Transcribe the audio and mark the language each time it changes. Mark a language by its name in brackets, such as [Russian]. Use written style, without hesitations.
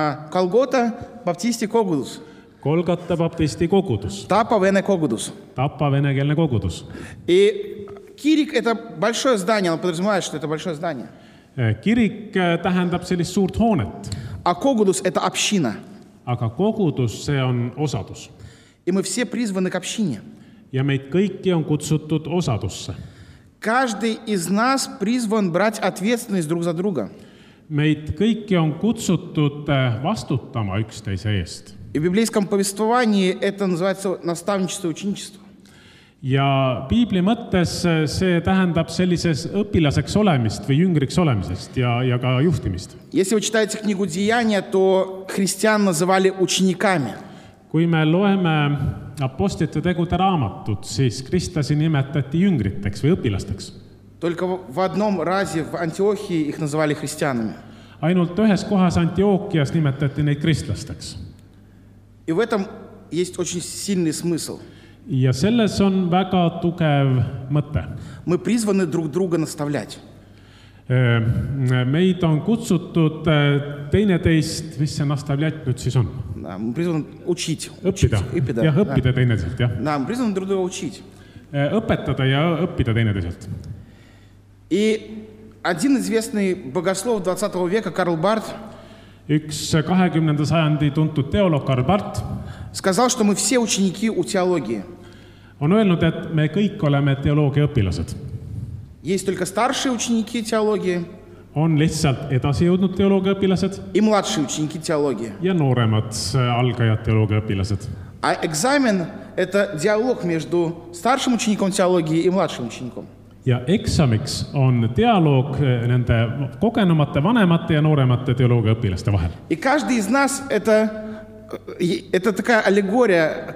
[Estonian] Kolgota, баптисти kogudus. Kolgata baptisti kogudus. Tapa-vene kogudus. Tapa-venekeelne kogudus. [Russian] И kirik – это большое здание. Он подразумевает, что это большое здание. [Estonian] Kirik tähendab sellist suurt hoonet. [Russian] А kogudus – это община. [Estonian] Aga kogudus – see on osadus. [Russian] И мы все призваны к общине. [Estonian] Ja meid kõiki on kutsutud osadusse. [Russian] Каждый из нас призван брать ответственность друг за друга. [Estonian] Meid kõiki on kutsutud vastutama üksteise eest. [Russian] И в библейском повествовании это называется наставничество, ученичество. [Estonian] Ja Biibli mõttes see tähendab sellises õpilaseks olemist või jüngriks olemisest ja ka juhtimist. [Russian] Если вы читаете книгу Деяния, то христиан называли учениками. [Estonian] Kui me loeme apostlite tegude raamatut, siis kristlasi nimetati jüngriteks või õpilasteks. [Russian] Только в одном разе в Антиохии их называли христианами. [Estonian] Ainult ühes kohas Antiookias nimetati neid kristlasteks. [Russian] И в этом есть очень сильный смысл. [Estonian] Ja selles on väga tugev mõte. [Russian] Мы призваны друг друга наставлять. [Estonian] Meid on kutsutud teine teist, mis see наставлять nüüd siis on? [Russian] Да, мы призваны учить. [Estonian] Õppida. Õppida. Ja õppida teine teiselt, jah. [Russian] Да, мы призваны друг друга учить. [Estonian] Õpetada ja õppida teine teiselt. [Russian] И один известный богослов 20 века Карл Барт [Estonian] Üks 20. Sajandi tuntud teoloog Karl Barth [Russian] сказал, что мы все ученики у теологии. [Estonian] On öelnud, et me kõik oleme teoloogia õpilased. [Russian] Есть только старшие ученики теологии. [Estonian] On lihtsalt edasi jõudnud teoloogia õpilased. [Russian] И младшие ученики теологии. [Estonian] Ja nooremad algajad teoloogia õpilased. [Russian] А экзамен – это диалог между старшим учеником теологии и младшим учеником. [Estonian] Ja eksamiks on dialoog nende kogenumate, vanemate ja nooremate teoloogia õpilaste vahel. [Russian] И каждый из нас это такая аллегория.